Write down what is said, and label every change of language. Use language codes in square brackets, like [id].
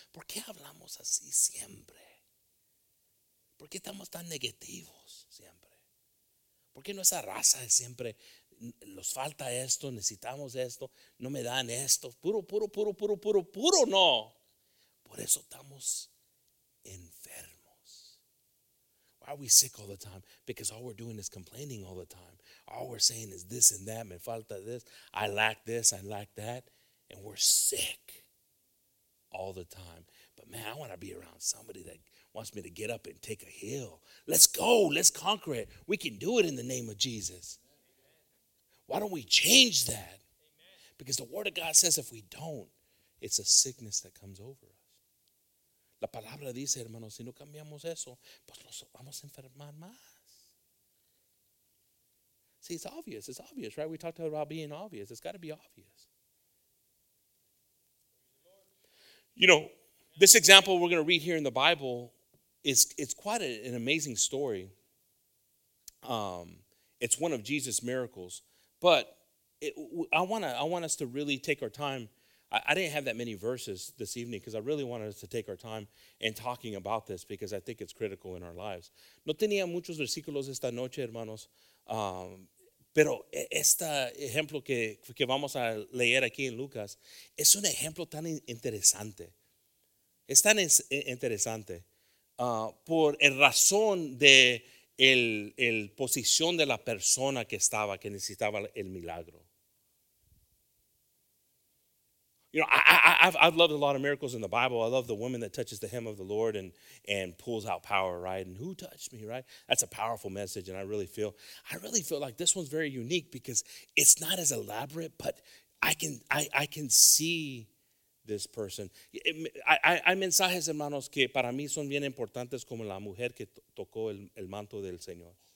[es] ¿Por qué hablamos así siempre? ¿Por qué estamos tan negativos siempre? ¿Por qué nuestra raza es siempre, nos falta esto, necesitamos esto, no me dan esto? Puro no. Por eso estamos enfermos. [en] Why are we sick all the time? Because all we're doing is complaining all the time. All we're saying is this and that, [es] me falta [en] this, I lack that, and we're sick all the time. But man, I want to be around somebody that wants me to get up and take a hill. Let's go, let's conquer it. We can do it in the name of Jesus. Why don't we change that? Because the word of God says if we don't, it's a sickness that comes over us. [es] La palabra dice, hermanos, si no cambiamos eso, pues nos vamos a enfermar más. [en] See, it's obvious, right? We talked about being obvious. It's got to be obvious. You know, this example we're going to read here in the Bible, it's quite an amazing story. It's one of Jesus' miracles. But I want us to really take our time. I didn't have that many verses this evening because I really wanted us to take our time in talking about this because I think it's critical in our lives. [es] No tenía muchos versículos esta noche, hermanos. Pero este ejemplo que vamos a leer aquí en Lucas es un ejemplo tan interesante. Es tan interesante por el razón de el posición de la persona que estaba, que necesitaba el milagro. [en] You know, I've loved a lot of miracles in the Bible. I love the woman that touches the hem of the Lord and pulls out power, right? And who touched me, right? That's a powerful message, and I really feel like this one's very unique because it's not as elaborate, but I can see this person. [es] Hay mensajes, hermanos, que para mí son bien importantes, como la mujer que tocó el manto del Señor.